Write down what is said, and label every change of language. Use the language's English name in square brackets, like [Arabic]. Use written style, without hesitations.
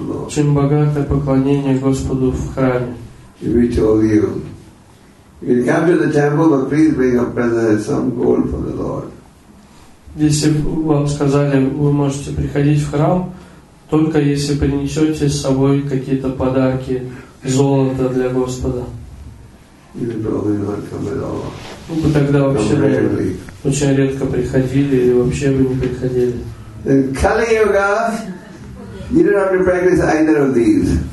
[Russian] Чем богатое поклонение Господу в храме. [English] You come to the temple, but please bring a present and some gold for the Lord. [Russian] Если вам сказали, вы можете приходить в храм, только если принесете с собой какие-то подарки, золото для Господа. Ну, вы тогда вообще очень редко приходили или вообще бы не приходили. [English] Kali-yuga, You don't have to practice either of these.